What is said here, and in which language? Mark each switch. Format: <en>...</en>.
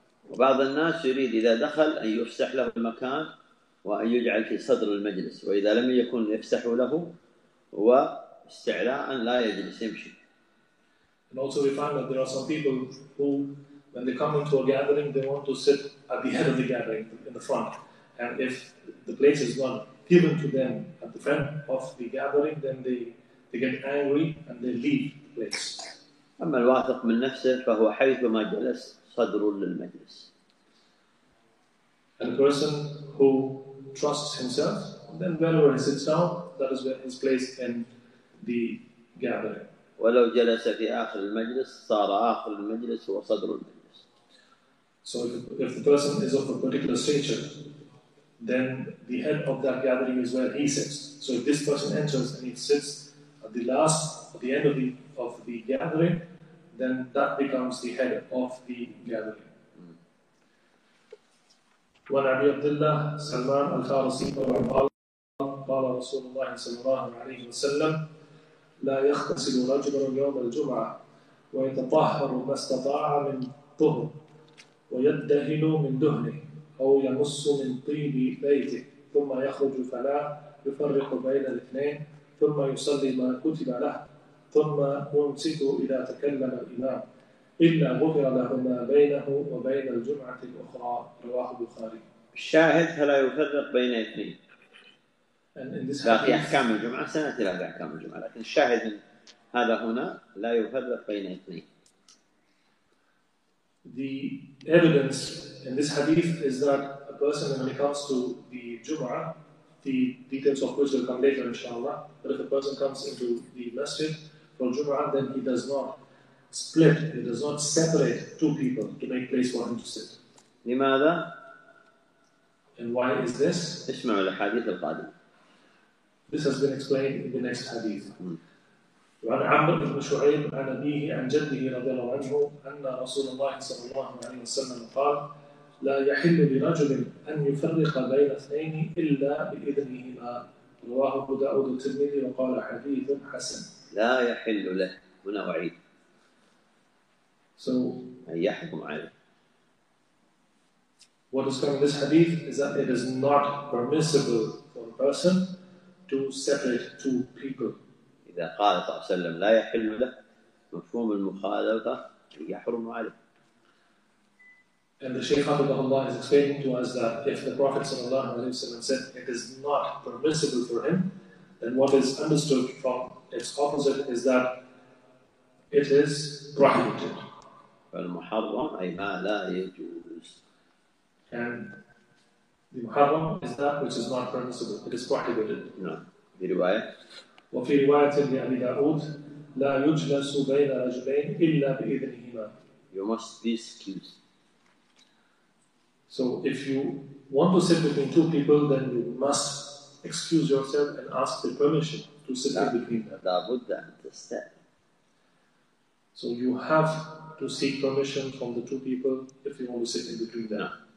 <ar>وبعض الناس يريد إذا دخل أن يفسح له المكان وأن يجعل في صدر المجلس، وإذا لم يكن يفسح له واستعلاء لا يجلس يمشي.</ar> <en>And also we find that there are some people who, when they come into a gathering, they want to sit at the head of the gathering, in the front. And if the place is not given to them at the front of the gathering, then they get angry and they leave the place.</en> <ar>أما الواثق من نفسه فهو حيثما جلس صدر للمجلس.</ar> <en>And a person who trusts himself, then wherever he sits down, that is where his place in the gathering.</en> <ar>ولو جلس في آخر المجلس صار آخر المجلس هو صدر المجلس.</ar> <en>So if the person is of a particular stature, then the head of that gathering is where he sits. So if this person enters and he sits at the last, at the end of the gathering, then that becomes the head of the gathering.</en> <ar>وعن أبي عبد الله سلمان الفارسي قال قال رسول الله صلى الله عليه وسلم لا يغتسل رجل يوم الجمعة ويتطهر ما استطاع من طهر ويدهن من دهنه أو يمص من طيب بيته ثم يخرج فلا يفرق بين الاثنين ثم يصلي ما كتب له ثم يمسك إذا تكلم الإمام إلا غفر له ما بينه وبين الجمعة الأخرى رواه البخاري. الشاهد فلا يفرق بين اثنين. باقي أحكام الجمعة سنتي لها أحكام الجمعة، لكن الشاهد هذا هنا لا يفرق بين اثنين.</ar> <en>The evidence in this hadith is that a person when it comes to the Jum'ah, the details of which will come later inshallah, but if a person comes into the masjid for Jum'ah, then he does not split, he does not separate two people to make place for him to sit.</en> <ar>لماذا؟</ar> <en>And why is this?</en> <ar>اسمعوا الحديث القادم.</ar> <en>This has been explained in the next hadith.</en> <ar>وعن عمرو بن شعيب عن أبيه عن جده رضي الله عنه أن رسول الله صلى الله عليه وسلم قال لا يحل لرجل أن يفرق بين اثنين إلا بإذنهما رواه أبو داود الترمذي وقال حديث حسن. لا يحل له هنا وعيد.</ar> <en>So</en> <ar>أن يحكم عليه.</ar> <en>What is coming in this hadith is that it is not permissible for a person to separate two people.</en> <ar>إذا قال صلى الله عليه وسلم لا يحل له مفهوم المخالفة يحرم عليه.</ar> <en>And the Shaykh Abdullah Allah is explaining to us that if the Prophet</en> <ar>صلى الله عليه وسلم</ar> <en>said it is not permissible for him, then what is understood from its opposite is that it is prohibited.</en> <ar>فالمحرم أي ما لا يجوز.</ar> <en>And the Muharram is that which is not permissible, it is prohibited.</en> <ar>في رواية. وفي رواية لأبي داود لا يجلس بين رجلين إلا بإذنهما.</ar> <en>You must be excused. So if you want to sit between two people, then you must excuse yourself and ask the permission to sit between them.</en> <ar>لابد أن تستأذن.</ar> <en>So you have to seek permission from the two people if you want to sit in between them.</en>